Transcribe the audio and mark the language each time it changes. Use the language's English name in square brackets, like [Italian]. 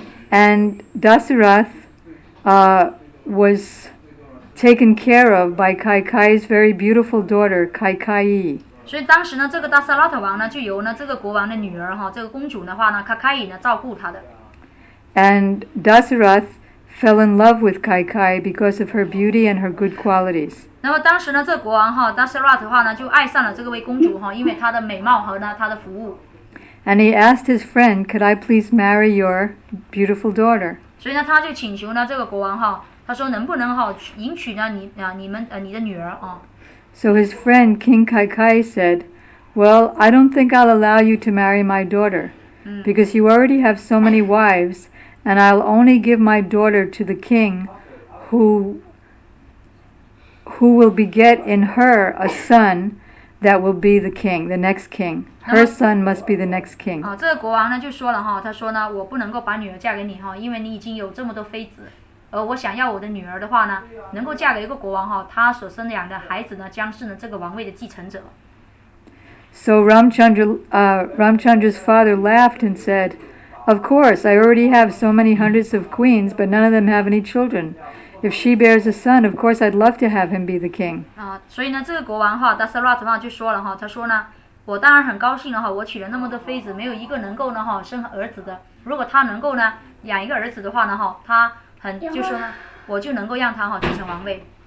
[English] And Dasarath was taken care of by Kaikai's very beautiful daughter, Kaikai. [Chinese] 所以当时呢，这个达萨拉特王呢，就由呢这个国王的女儿哈，这个公主的话呢，Kaikai呢照顾他的。 [English] And Dasarath fell in love with Kaikai because of her beauty and her good qualities. [Chinese] 那么当时呢，这个国王哈，达萨拉特的话呢，就爱上了这个位公主哈，因为她的美貌和呢她的服务。 [English] And he asked his friend, "Could I please marry your beautiful daughter?" [Chinese] 所以呢，他就请求呢这个国王哈。他说能不能好迎娶呢你啊你们呃你的女儿啊 [English] ？So his friend King Kaikai said, "Well, I don't think I'll allow you to marry my daughter, because you already have so many wives, and I'll only give my daughter to the king, who will beget in her a son that will be the king, the next king. Her son must be the next king." [Chinese] 啊，这个国王呢就说了哈，他说呢我不能够把女儿嫁给你哈，因为你已经有这么多妃子。而我想要我的女儿的话呢，能够嫁给一个国王哈，他所生养的孩子呢，将是呢这个王位的继承者。 [English] So Ramchandra's father laughed and said, "Of course, I already have so many hundreds of queens, but none of them have any children. If she bears a son, of course I'd love to have him be the king." [Chinese] 啊，所以呢，这个国王哈，达萨拉特嘛就说了哈，他说呢，我当然很高兴了哈，我娶了那么多妃子，没有一个能够呢哈生儿子的。如果他能够呢养一个儿子的话呢哈，他我就能够让他继承王位。